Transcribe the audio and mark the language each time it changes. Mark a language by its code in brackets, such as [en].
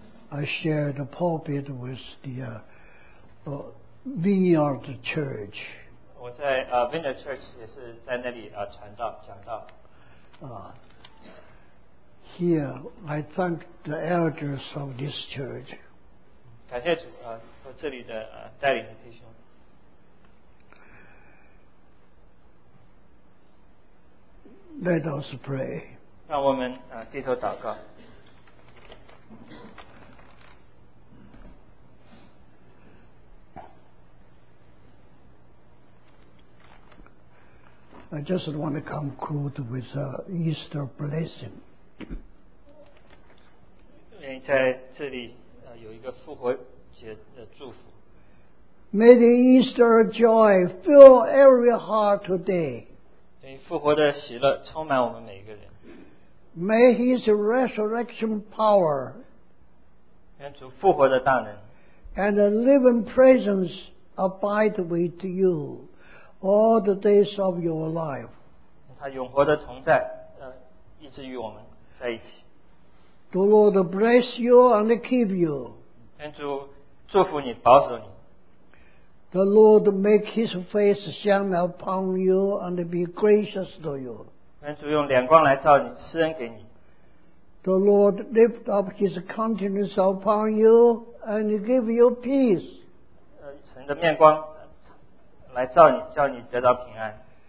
[en] I shared the pulpit with the Vineyard Church. [zh] 我在, Vineyard Church 也是在那里, 传道讲道。 [en] Here, I thank the elders of this church. [zh] 感谢主, 和这里的, 带领的弟兄。 [en] Let us pray. [zh] 让我们, 低头祷告。 [en] I just want to conclude with an Easter blessing. [zh] 在这里, 有一个复活节的祝福。 [en] May the Easter joy fill every heart today. [zh] 复活的喜乐充满我们每一个人。 [en] May His resurrection power [zh] 愿主复活的大能 [en] and the living presence abide with you all the days of your life. [zh] 他永活的同在, 一直与我们在一起。 [en] The Lord bless you and keep you. [zh] 愿主祝福你, 保守你。 [en] The Lord make His face shine upon you and be gracious to you. [zh] 愿主用脸光来照你, 施恩给你。 [en] The Lord lift up His countenance upon you and give you peace. [zh] 神的面光来照你, 叫你得到平安。